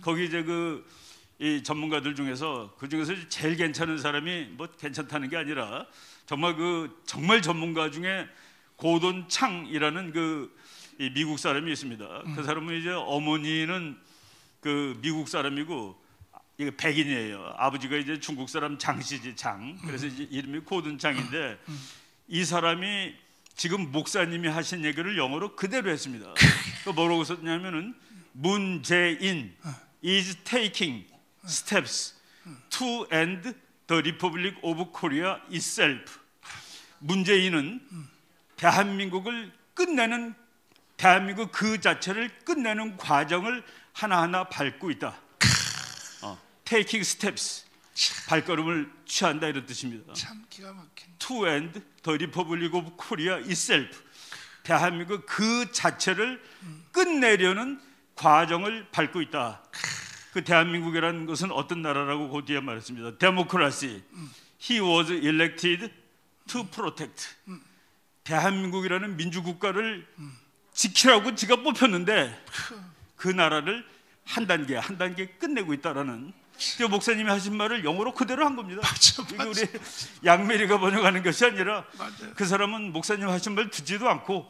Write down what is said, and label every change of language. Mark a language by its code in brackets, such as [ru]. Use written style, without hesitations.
[ko] 거기 이제 그 이 전문가들 중에서 그 중에서 제일 괜찮은 사람이 뭐 괜찮다는 게 아니라 정말 그 정말 전문가 중에 고돈 창이라는 그 이 미국 사람이 있습니다. 그 사람은 이제 어머니는 그 미국 사람이고 이게 백인이에요. 아버지가 이제 중국 사람 장씨지 장. 그래서 이제 이름이 고든 장인데 이 사람이 지금 목사님이 하신 얘기를 영어로 그대로 했습니다. [en] 그 뭐라고 썼냐면은 문재인 is taking steps to end the Republic of Korea itself. [ko] 문재인은 대한민국을 끝내는 대한민국 그 자체를 끝내는 과정을 하나하나 밟고 있다. 테이킹 스텝스 발걸음을 취한다 이런 뜻입니다. 참 기가 막힌. [en] To end the Republic of Korea itself. [ko] 대한민국 그 자체를 끝내려는 과정을 밟고 있다. 그 대한민국이라는 것은 어떤 나라라고 그 뒤에 말했습니다. [en] Democracy. He was elected to protect. [ko] 대한민국이라는 민주국가를 지키라고 지가 뽑혔는데 그 나라를 한 단계 끝내고 있다라는 저 목사님이 하신 말을 영어로 그대로 한 겁니다. 맞아. 우리 양미리가 번역하는 것이 아니라 맞아요. 그 사람은 목사님 하신 말 듣지도 않고